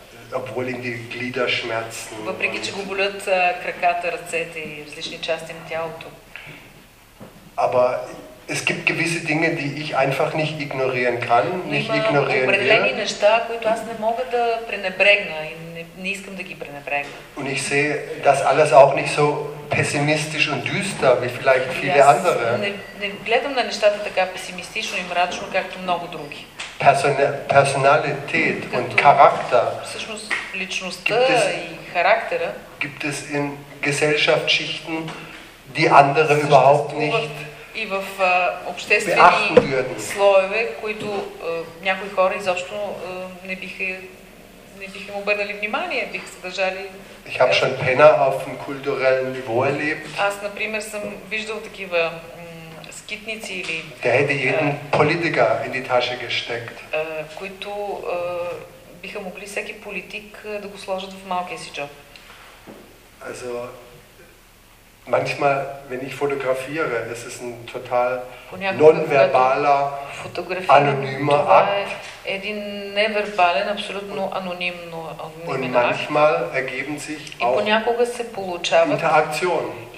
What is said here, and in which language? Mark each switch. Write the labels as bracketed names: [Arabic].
[German] Obwohl ihn die Glieder schmerzen. [Bulgarian] Въпреки че го болят краката, ръцете и различни части на тялото. [German] Aber es gibt gewisse Dinge, die ich einfach nicht ignorieren kann, nicht ignorieren werde. [Bulgarian] Определени неща, които аз не мога да пренебрегна и не искам да ги пренебрегна. [German] Und ich sehe das alles auch nicht so pessimistisch und düster wie vielleicht viele andere. [Bulgarian] Не гледам на нещата така песимистично и мрачно, както много други. [German] Personalität und Charakter. [Bulgarian] Всъщност личността и характера. [German] Gibt es in Gesellschaftsschichten, die andere überhaupt nicht [Bulgarian] и в обществени слоеве, които някои хора изобщо не биха им обърнали внимание, биха се държали. [German] Ich habe schon Penner auf dem kulturellen Niveau erlebt. [Bulgarian] Аз, например, съм виждал такива скитници или [German] der hätte jeden Politiker in die Tasche gesteckt. [Bulgarian] Които биха могли всеки политик да го сложат в малкия си джоб. [German] Also manchmal, wenn ich fotografiere, das ist ein total nonverbaler, anonymer Akt. [Bulgarian] Невербален, абсолютно анонимен акт. [German] Und manchmal ergeben sich auch Interaktionen.